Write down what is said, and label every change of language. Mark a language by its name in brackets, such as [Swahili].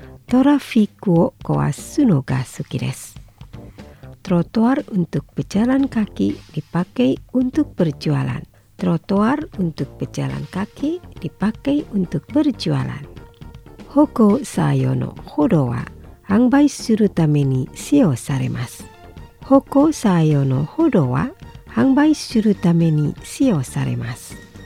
[Japanese] トラフィックを壊すのが好きです。 [Indonesian] トロトワール untuk pejalan kaki dipakai untuk berjualan. トロトワール untuk pejalan kaki dipakai untuk berjualan. [Japanese] 歩行者用の歩道は販売するために使用されます。歩行者用の歩道は販売するために使用されます。